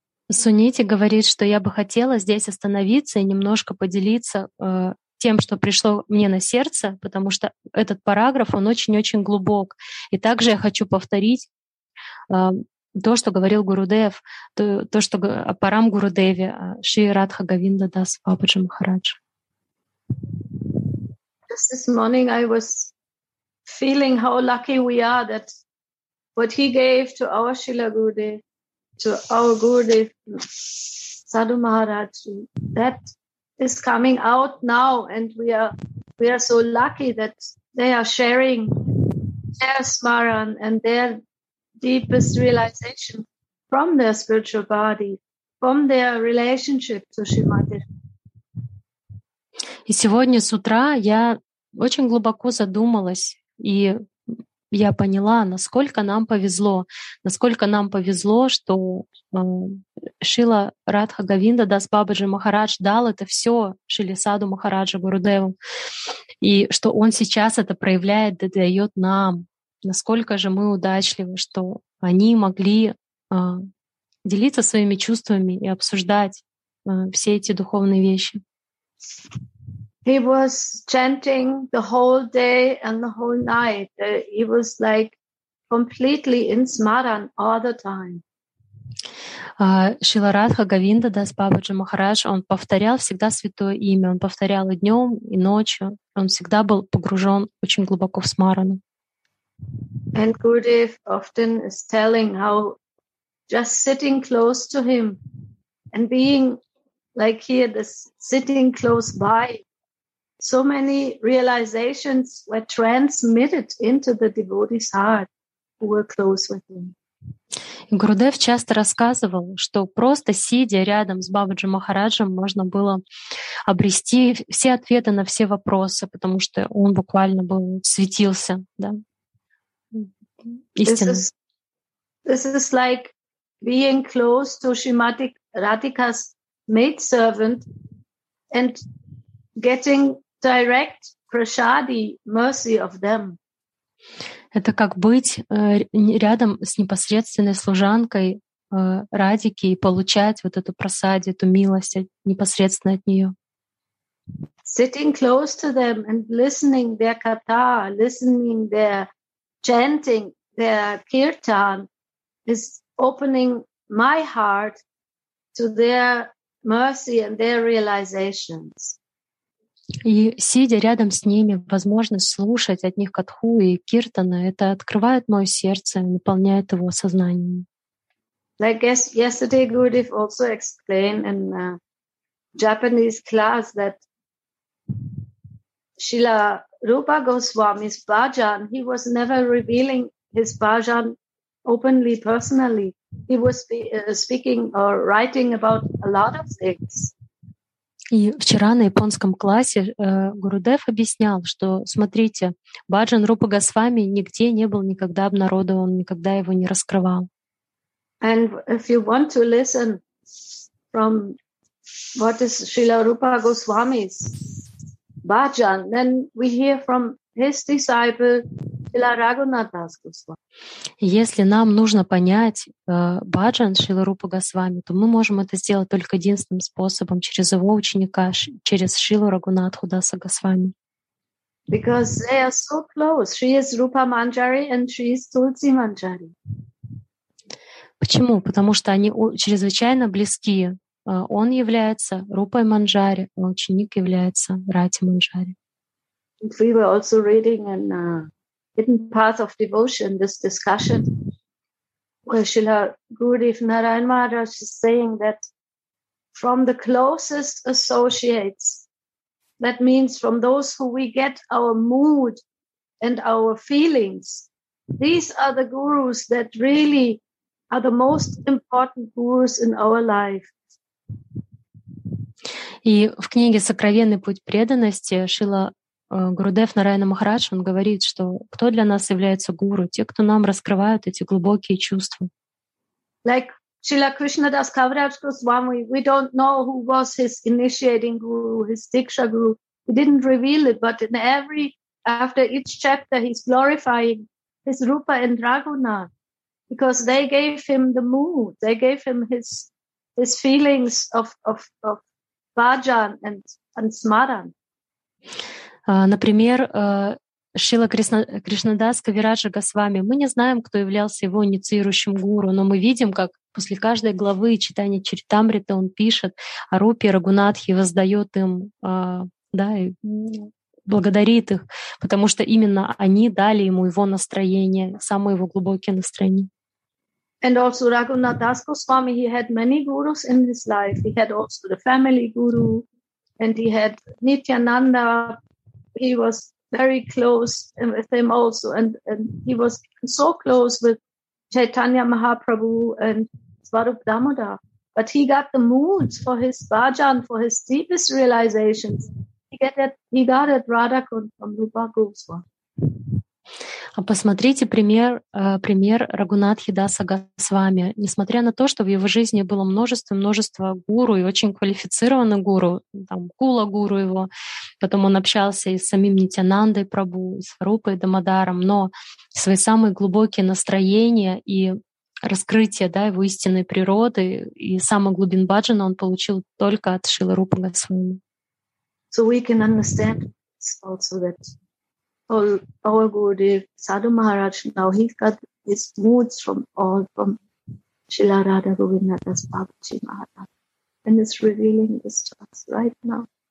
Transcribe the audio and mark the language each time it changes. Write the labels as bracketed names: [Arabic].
[Russian] Сунити говорит, что я бы хотела здесь остановиться и немножко поделиться тем, что пришло мне на сердце, потому что этот параграф, он очень-очень глубок. И также я хочу повторить то, что говорил Гурудев, то, что о Парам Гурудеве, Шри Радха Говинда Дас Бабаджи Махарадж. [English] Just this morning I was feeling how lucky we are that what he gave to our Srila Gurudev to our Guru, Sadhu Maharaj, that is coming out now, and we are so lucky that they are sharing their smaran and their deepest realization from their spiritual body, from their relationship to Shrimati. [Russian] И сегодня с утра я очень глубоко задумалась, и я поняла, насколько нам повезло, что Шрила Радха Говинда Дас Бабаджи Махарадж дал это все Шриле Садху Махараджу Гурудеву, и что он сейчас это проявляет, дает нам. Насколько же мы удачливы, что они могли делиться своими чувствами и обсуждать все эти духовные вещи. [English] He was chanting the whole day and the whole night. He was like completely in smaran all the time. [Russian] Шрила Радха Говинда Дас Бабаджи Махарадж, он повторял всегда святое имя, он повторял и днем, и ночью. Он всегда был погружен очень глубоко в смарану. [English] And Gurudev often is telling how just sitting close to him and being like here, this sitting close by, so many realizations were transmitted into the devotee's heart who were close with him. [Russian] Гурудев часто рассказывал, что просто сидя рядом с Бабаджи Махараджем можно было обрести все ответы на все вопросы, потому что он буквально был светился, да. [English] This is like being close to Shrimati Radhika's maid servant and getting direct prasadi, mercy of them. [Russian] Это как быть рядом с непосредственной служанкой Радики и получать вот эту прасади, эту милость непосредственно от нее. [English] Sitting close to them and listening their katha, listening their chanting their kirtan is opening my heart to their mercy and their realizations. [Russian] И сидя рядом с ними, возможность слушать от них катху и киртана, это открывает мое сердце, наполняет его сознанием. [English] Like yesterday, Gurudev also explained in a Japanese class that Srila Rupa Goswami's bhajan, he was never revealing his bhajan openly, personally. He was speaking or writing about a lot of things. [Russian] И вчера на японском классе Гурудев объяснял, что, смотрите, бхаджан Рупа Госвами нигде не был никогда обнародован, никогда его не раскрывал. [English] And if you want to listen from what is Srila Rupa Goswami's bhajan, then we hear from his disciple Srila Raghunathas Goswami. [Russian] Если нам нужно понять бхаджан Шрила Рупа Госвами, то мы можем это сделать только единственным способом, через его ученика, через Шрилу Рагунатху Даса Госвами. [English] Because they are so close. She is Rupa Manjari and she is Tulsi Manjari. [Russian] Почему? Потому что они чрезвычайно близки. Он является Рупой Манджари, а ученик является Рати Манджари. [English] We were also reading in Hidden Path of Devotion this discussion where Srila Gurudev Narayan Maharaj is saying that from the closest associates, that means from those who we get our mood and our feelings, these are the gurus that really are the most important gurus in our life. [Russian] И в книге «Сокровенный путь преданности» Шрила Гурудев Нараяна Махарадж, он говорит, что кто для нас является гуру? Те, кто нам раскрывают эти глубокие чувства. [English] Like Srila Krishnadas Kaviraj Goswami, we don't know who was his initiating guru, his Diksha guru. He didn't reveal it, but in every, after each chapter, he's glorifying his Rupa and Raguna, because they gave him the mood, they gave him his feelings of bhajan and smaran. [Russian] Например, Шрила Кришнадас Кавираджа Госвами. Мы не знаем, кто являлся его инициирующим гуру, но мы видим, как после каждой главы читания Чаритамриты он пишет о Рупе Рагунатхе, воздает им, да, и благодарит их, потому что именно они дали ему его настроение, самое его глубокое настроение. [English] And also Raghunath Das Goswami, he had many gurus in his life. He had also the family guru, and he had Nityananda. He was very close with him also. And he was so close with Chaitanya Mahaprabhu and Swarup Damodar. But he got the moods for his bhajan, for his deepest realizations. He got it Radhakund from Rupa Goswami. [Russian] А посмотрите пример Рагунатхи Даса Госвами. Несмотря на то, что в его жизни было множество гуру и очень квалифицированных гуру, там Кула гуру его, потом он общался и с самим Нитянандой Прабу, и с Варупой Дамодаром, но свои самые глубокие настроения и раскрытие, да, его истинной природы и самый глубин баджана он получил только от Шрилы Рупы Госвами. [English] So we can understand also that our Gurudev Sadhu Maharaj, now he's got his moods from Srila Radha Govinda Das Babaji Maharaj, and is revealing this to us right now.